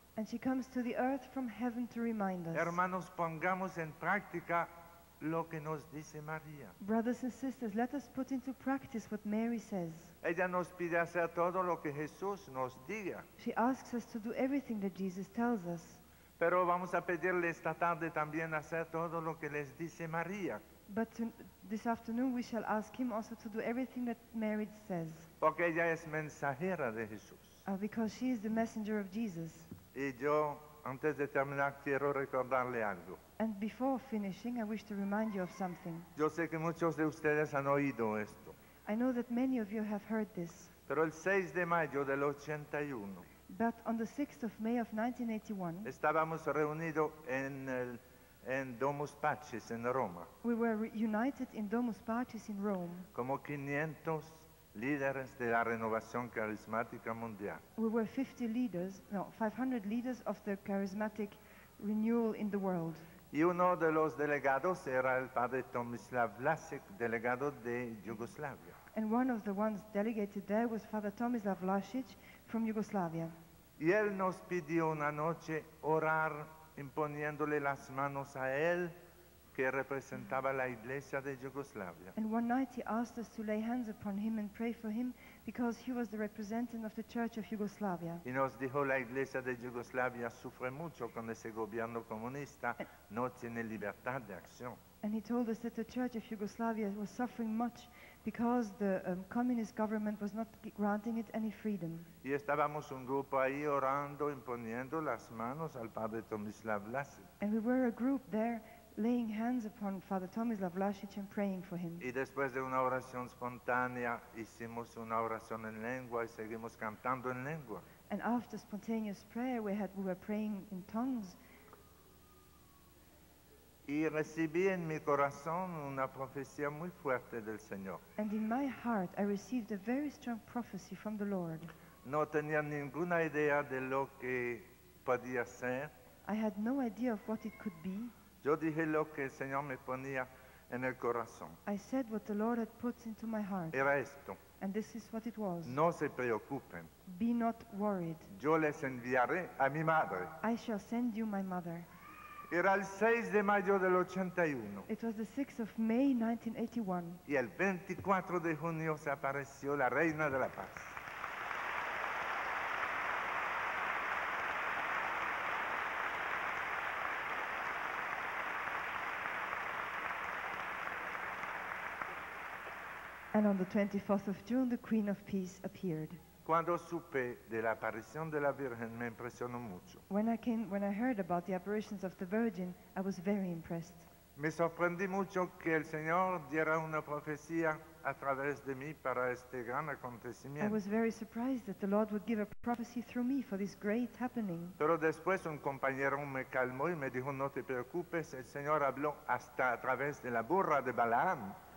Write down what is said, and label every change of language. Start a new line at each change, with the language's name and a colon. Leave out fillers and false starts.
English: And she comes to the earth from heaven to remind us.
Spanish: Hermanos, pongamos en práctica lo que nos dice María.
English: Brothers and sisters, let us put into practice what Mary says.
Spanish: Ella nos pide hacer todo lo que Jesús nos diga.
English: She asks us to do everything that Jesus tells us.
Spanish: Pero vamos a pedirle esta tarde también hacer todo lo que les dice María.
English: But this afternoon we shall ask him also to do everything that Mary says.
Spanish: Porque ella es mensajera de Jesús.
English: Because she is the messenger of Jesus.
Spanish: Y yo, antes de terminar, quiero recordarle algo.
English: And before finishing, I wish to remind you of something.
Spanish: Yo sé que muchos de ustedes han oído esto.
English: I know that many of you have heard this.
Spanish: Pero el 6 de mayo del 81.
English: But on the 6th of May of 1981.
Spanish: Estábamos reunidos en el en Domus Pacis en Roma.
English: We were reunited in Domus Pacis in Rome.
Spanish: Como 500 líderes de la renovación carismática mundial.
English: We were 500 leaders of the charismatic renewal in the world.
Spanish: Y uno de los delegados era el padre Tomislav Vlasic, delegado de Yugoslavia.
English: And one of the ones delegated there was Father Tomislav Vlasic from Yugoslavia.
Spanish: Y él nos pidió una noche orar imponiéndole las manos a él que representaba la iglesia de Yugoslavia.
English: And one night he asked us to lay hands upon him and pray for him because he was the representative of the Church of Yugoslavia.
Spanish: Y nos dijo la iglesia de Yugoslavia sufre mucho con ese gobierno comunista, no tiene libertad de acción.
English: And he told us that the Church of Yugoslavia was suffering much because the communist government was not granting it any freedom.
Spanish: Y estábamos un grupo ahí orando, imponiendo las manos al padre Tomislav Vlasic.
English: And we were a group there laying hands upon Father Tomislav Vlasic and praying for him.
Spanish: Y después de una oración espontánea hicimos una oración en lengua y seguimos cantando en lengua.
English: And after spontaneous prayer we were praying in tongues.
Spanish: Y recibí en mi corazón una profecía muy fuerte del Señor.
English: And in my heart I received a very strong prophecy from the Lord.
Spanish: No tenía ninguna idea de lo que podía ser.
English: I had no idea of what it could be.
Spanish: Yo dije lo que el Señor me ponía en el corazón.
English: I said what the Lord had put into my heart.
Spanish: Era esto.
English: And this is what it was.
Spanish: No se preocupen.
English: Be not worried.
Spanish: Yo les enviaré a mi madre.
English: I shall send you my mother.
Spanish: Era el 6 de mayo del 81.
English: It was the 6th of May 1981.
Spanish: Y el 24 de junio se apareció la Reina de la Paz.
English: And And on the 24th of June, the Queen of Peace appeared.
Spanish: Cuando supe de la aparición de la Virgen, me impresionó mucho.
English: When I heard about the apparitions of the Virgin, I was very impressed.
Spanish: Me sorprendí mucho que el Señor diera una profecía a través de mí para este gran acontecimiento.
English: I was very surprised that the Lord would give a prophecy through me for this great happening.
Spanish: Pero después un compañero me calmó y me dijo, no te preocupes, el Señor habló hasta a través de la burra de Balaam.